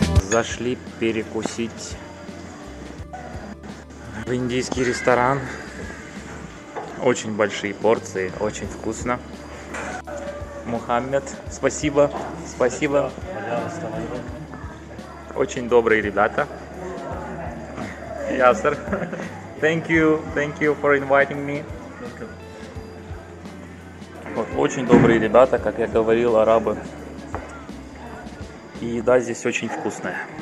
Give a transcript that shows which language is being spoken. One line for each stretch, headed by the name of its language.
Russian: Зашли перекусить в индийский ресторан. Очень большие порции, очень вкусно. Мухаммед, спасибо, спасибо. Очень добрые ребята.
English: Ясар, thank you for inviting me.
Russian: Вот, очень добрые ребята, как я говорил, арабы. И еда здесь очень вкусная.